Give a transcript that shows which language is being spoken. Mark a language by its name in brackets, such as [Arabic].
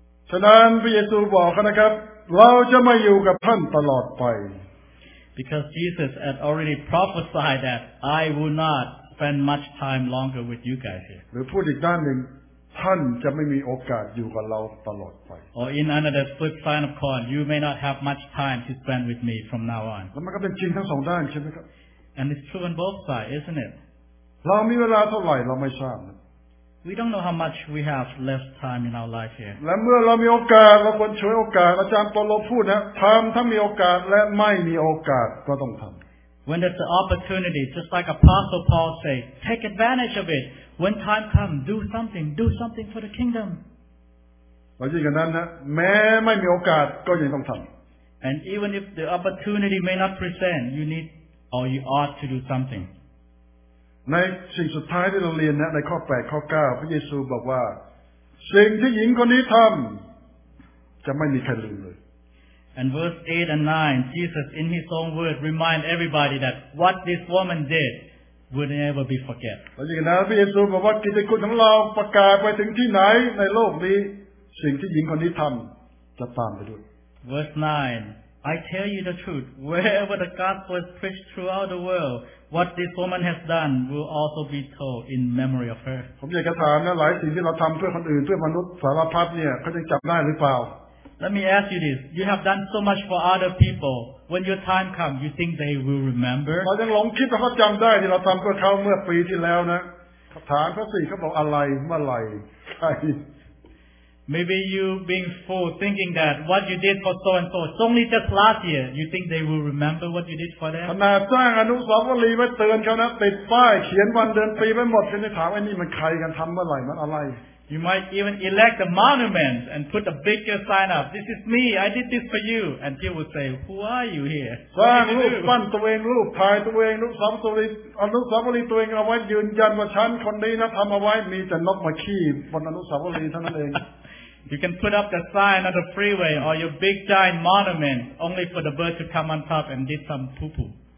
[Thai] ฉะนั้นพระเยซูบอกนะครับเราจะไม่อยู่กับท่านตลอดไป [English] Because Jesus had already prophesied that I will not spend much time longer with you guys here. [Thai] หรือพูดอีกด้านหนึ่งท่านจะไม่มีโอกาสอยู่กับเราตลอดไป [English] Or in another flip side of coin, you may not have much time to spend with me from now on. [Thai] แล้วมันก็เป็นจริงทั้งสองด้านใช่ไหมครับ [English] And it's true on both sides, isn't it? [Thai] เรามีเวลาเท่าไหร่เราไม่ทราบ [English] We don't know how much we have left time in our life here. [Thai] และเมื่อเรามีโอกาสเราควรใช้โอกาสอาจารย์ปอโลพูดนะทำถ้ามีโอกาสและไม่มีโอกาสก็ต้องทำ [English] When there's an opportunity, just like Apostle Paul say, take advantage of it. When time comes, do something for the kingdom. [Thai] เราจริงกันนั้นนะแม้ไม่มีโอกาสก็ยังต้องทำ [English] And even if the opportunity may not present, you need or you ought to do something. [Thai] ในสิ่งสุดท้ายที่เราเรียนนะในข้อ8ข้อ9พระเยซูบอกว่าสิ่งที่หญิงคนนี้ทำจะไม่มีใครลืมเลย [English] And verse 8 and 9 Jesus in his own word remind everybody that what this woman did would never be forget [Thai] แล้วอย่างนั้นพระเยซูบอกว่ากิตติคุณของเราประกาศไปถึงที่ไหนในโลกนี้สิ่งที่หญิงคนนี้ทำจะตามไปด้วย [English] Verse 9 I tell you the truth wherever the gospel is preached throughout the worldWhat this woman has done will also be told in memory of her. [Thai] ผมอยากจะถามนะหลายสิ่งที่เราทำเพื่อคนอื่นเพื่อมนุษย์สารพัดเนี่ยเขาจะจำได้หรือเปล่า [English] Let me ask you this. You have done so much for other people. When your time comes, you think they will remember? [Thai] เขายังหลงคิดว่าเขาจำได้ที่เราทำเพื่อเขาเมื่อปีที่แล้วนะถามเขาสิเขาบอกอะไรเมื่อไหร่ใช่ [English] Maybe you being fooled, thinking that what you did for so and so, it's only just last year, you think they will remember what you did for them? [Thai] ขนาดสร้างอนุสาวรีย์ไว้เตือนเขานะติดป้ายเขียนวันเดือนปีไว้หมดเขาจะถามว่านี่มันใครกันทำเมื่อไหร่มันอะไร [English] You might even erect the monument and put a bigger sign up. This is me. I did this for you. And people will say, who are you here? [Thai] สร้างรูปปั้นตัวเองรูปถ่ายตัวเองอนุสาวรีย์ตัวเองเอาไว้ยืนยันว่าฉันคนนี้นะทำเอาไว้มีแต่นกมาขี้บนอนุสาวรีย์เท่านั้นเอง [English] You can put up the sign on the freeway or your big giant monument only for the bird to come on top and did some poo-poo.